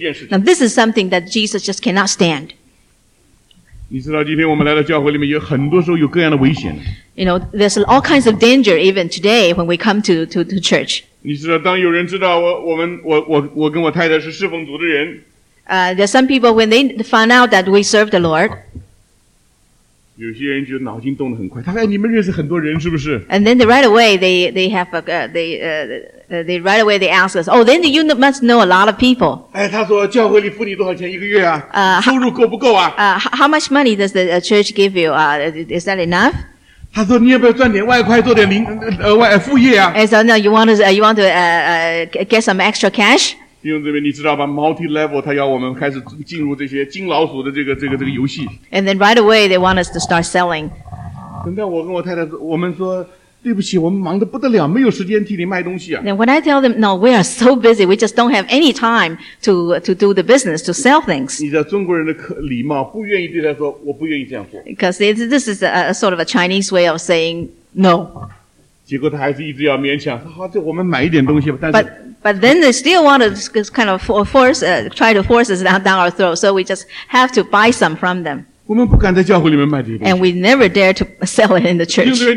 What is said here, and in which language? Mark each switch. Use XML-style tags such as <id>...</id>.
<en>now this is something that Jesus just cannot stand.</en> <zh>你知道今天我们来到教会里面有很多时候有各样的危险。</zh> <en>You know, there's all kinds of danger even today when we come to church.</en> <zh>你知道当有人知道我跟我太太是侍奉主的人,</zh> <en>there's some people when they find out that we serve the Lord,</en> <zh>有些人就脑筋动得很快, 他说, 你们认识很多人,</zh> <en>and then right away they have a they right away they ask us, oh, then you must know a lot of people.</en> <zh>哎, 他说, 教会里付你多少钱一个月啊? 收入够不够啊?</zh> <en>How much money does the church give you? Is that enough?</en> <zh>他说, 你要不要赚点外快做点零额外副业啊?</zh> <en>And so now you want to get some extra cash?</en> <zh>弟兄姊妹你知道吧, multi-level 他要我们开始进入这些金老鼠的这个游戏。</zh> <en>And then right away they want us to start selling.</en> <zh>等到我跟我太太说, 对不起, 我们忙得不得了, 没有时间替你卖东西啊。</zh> <en>And when I tell them, no, we are so busy, we just don't have any time to do the business, to sell things.</en> <zh>你知道中国人的礼貌, 不愿意对他说, 我不愿意这样做。</zh> <en>Because this is a sort of a Chinese way of saying no.</en> <zh>结果他还是一直要勉强, 好,就我们买一点东西吧, 但是,</zh> <en>but then they still want to kind of try to force us down our throat, so we just have to buy some from them. And we never dare to sell it in the church.</en>